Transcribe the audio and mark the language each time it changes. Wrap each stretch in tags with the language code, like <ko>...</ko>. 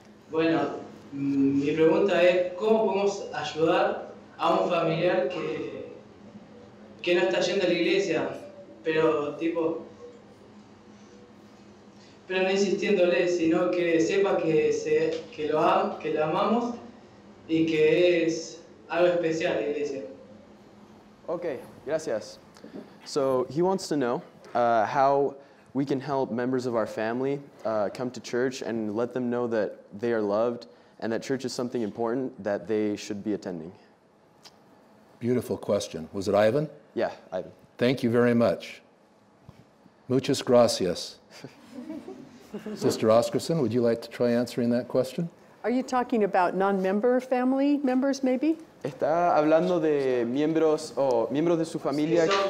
<es>Bueno, mi pregunta es cómo podemos ayudar a un familiar que no está yendo a la iglesia, pero tipo, pero no insistiéndole, sino que sepa que lo amamos y que es algo especial la iglesia. Okay, gracias.</es> <en>So he wants to know how we can help members of our family come to church and let them know that they are loved and that church is something important that they should be attending. Beautiful question. Was it Ivan? Yeah, Ivan. Thank you very much.</en> <es>Muchas gracias.</es> <en>Sister Oscarson, would you like to try answering that question? Are you talking about non-member family members, maybe?</en> <es>Está hablando de miembros o miembros de su familia.</es>